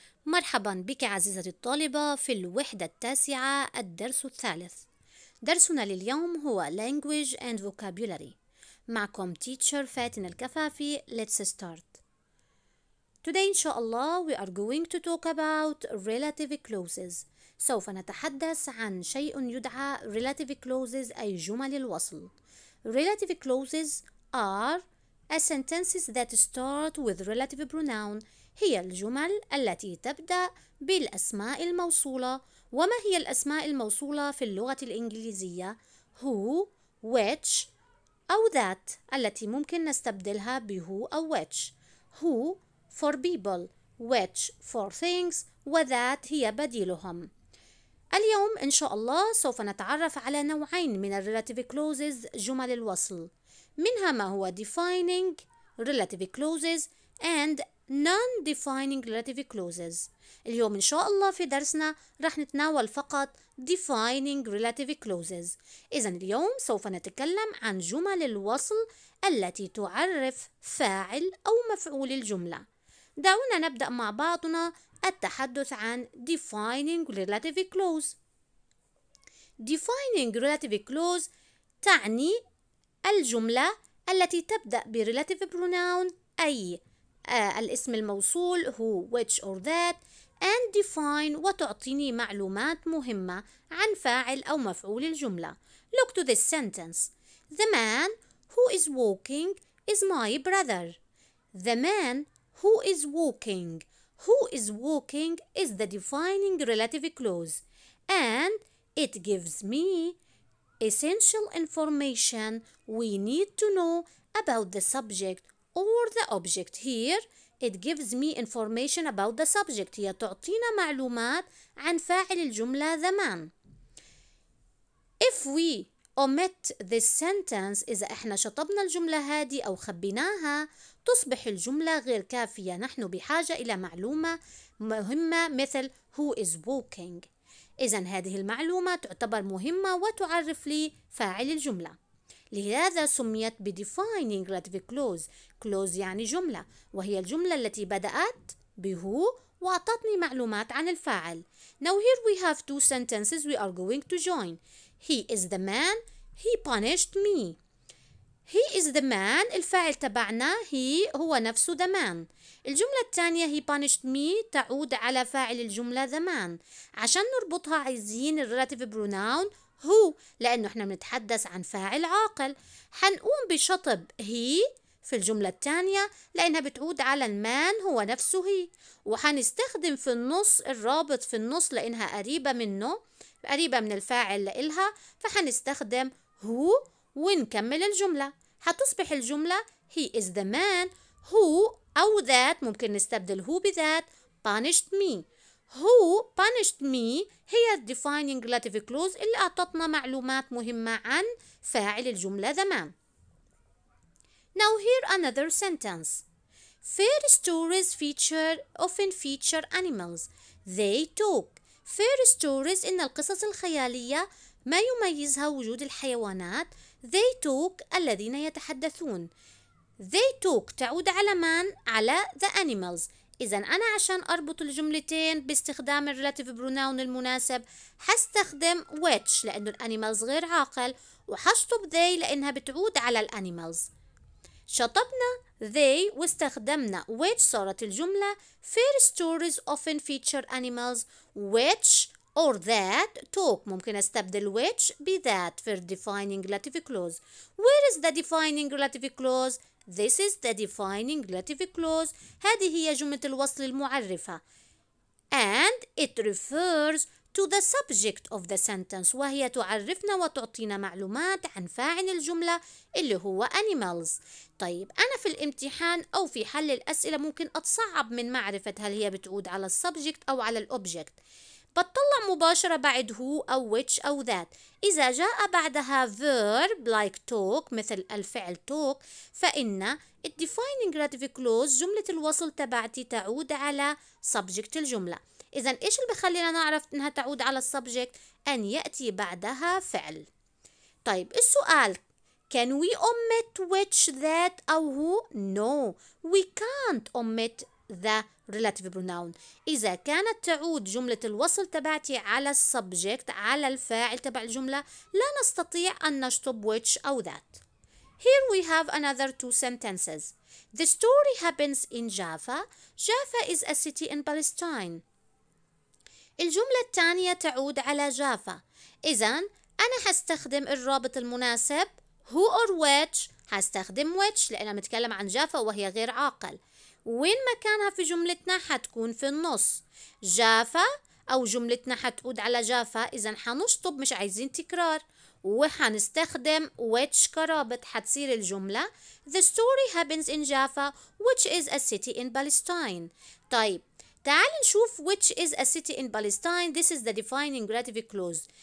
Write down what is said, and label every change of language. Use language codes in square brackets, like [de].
[ar] مرحبا بك عزيزتي الطالبة في الوحدة التاسعة الدرس الثالث. درسنا لليوم هو [en] language and vocabulary. [ar] معكم teacher فاتن الكفافي. [en] Let's start. Today, [ar] إن شاء الله, [en] we are going to talk about relative clauses. [ar] سوف نتحدث عن شيء يدعى relative clauses أي جمل الوصل. [en] Relative clauses are A sentences that start with relative pronoun [ar] هي الجمل التي تبدأ بالأسماء الموصولة. وما هي الأسماء الموصولة في اللغة الإنجليزية؟ Who, which, أو that التي ممكن نستبدلها ب who أو which. [en] Who for people, which for things, و that [ar] هي بديلهم. اليوم إن شاء الله سوف نتعرف على نوعين من relative clauses جمل الوصل. منها ما هو [en] defining relative clauses and non-defining relative clauses. [ar] اليوم إن شاء الله في درسنا رح نتناول فقط defining relative clauses. إذن اليوم سوف نتكلم عن جمل الوصل التي تعرف فاعل أو مفعول الجملة. دعونا نبدأ مع بعضنا التحدث عن defining relative clause. Defining relative clause تعني الجملة التي تبدأ بrelative pronoun أي الاسم الموصول [en] who, which or that and define [ar] وتعطيني معلومات مهمة عن فاعل أو مفعول الجملة. [en] Look to this sentence. The man who is walking is my brother. The man who is walking. Who is walking is the defining relative clause and it gives me essential information we need to know about the subject or the object. Here it gives me information about the subject. [ar] هي تعطينا معلومات عن فاعل الجملة the man. [en] If we omit this sentence, [ar] إذا إحنا شطبنا الجملة هذه أو خبيناها تصبح الجملة غير كافية. نحن بحاجة إلى معلومة مهمة مثل [en] who is walking. [ar] إذن هذه المعلومة تعتبر مهمة وتعرف لي فاعل الجملة. لهذا سميت بdefining relative clause. clause يعني جملة، وهي الجملة التي بدأت بهو وأعطتني معلومات عن الفاعل. [en] Now here we have two sentences we are going to join. He is the man. He punished me. He is the man. [ar] الفاعل تبعنا he هو نفسه the man. الجملة الثانية [en] he punished me [ar] تعود على فاعل الجملة the man. عشان نربطها عايزين الrelative pronoun who لأنه إحنا بنتحدث عن فاعل عاقل. حنقوم بشطب he في الجملة الثانية لأنها بتعود على المان هو نفسه he. وحنستخدم في النص الرابط في النص لأنها قريبة منه، قريبة من الفاعل لإلها، فحنستخدم who ونكمل الجملة. هتصبح الجملة [en] he is the man who [ar] أو that ممكن نستبدل who بذات [en] punished me. Who punished me [ar] هي defining relative clause اللي أعطتنا معلومات مهمة عن فاعل الجملة the man. [en] Now here another sentence. Fair stories often feature animals. They talk. Fair stories [ar] إن القصص الخيالية ما يميزها وجود الحيوانات. [en] They talk [ar] الذين يتحدثون. They talk تعود على من؟ على [en] the animals. [ar] إذا أنا عشان أربط الجملتين باستخدام الrelative pronoun المناسب هستخدم which لأنه الانيمالز غير عاقل وحشطب they لأنها بتعود على الانيمالز. [en] شطبنا they واستخدمنا which [ar] صارت الجملة [en] Fair stories often feature animals which or that talk. [ar] ممكن استبدل which بذات [en] for defining relative clause. Where is the defining relative clause? This is the defining relative clause. [ar] هذه هي جملة الوصل المعرفة. [en] And it refers to the subject of the sentence. [ar] وهي تعرفنا وتعطينا معلومات عن فاعل الجملة اللي هو animals. طيب أنا في الامتحان أو في حل الأسئلة ممكن أتصعب من معرفة هل هي بتعود على subject أو على object. بتطلع مباشرة بعد who أو which أو that. إذا جاء بعدها verb [en] like talk [ar] مثل الفعل talk فإن defining relative clause جملة الوصل تبعتي تعود على subject الجملة. إذن إيش اللي بخلينا نعرف إنها تعود على subject؟ أن يأتي بعدها فعل. طيب السؤال [en] Can we omit which, that, or who? No, we can't omit the relative pronoun. [ar] إذا كانت تعود جملة الوصل تبعتي على السبجكت على الفاعل تبع الجملة لا نستطيع أن نشطب which أو that. [en] Here we have another two sentences. The story happens in Jaffa. Jaffa is a city in Palestine. [ar] الجملة الثانية تعود على جافا. إذن أنا هستخدم الرابط المناسب [en] who or which. [ar] هستخدم which لأنه متكلم عن جافا وهي غير عاقل. وين مكانها في جملتنا؟ هتكون في النص. جافا أو جملتنا هتعود على جافا، إذن حنشطب مش عايزين تكرار، وحنستخدم which كرابط. حتصير الجملة [en] The story happens in Jaffa, which is a city in Palestine. [ar] طيب تعال نشوف [en] which is a city in Palestine. This is the defining relative clause.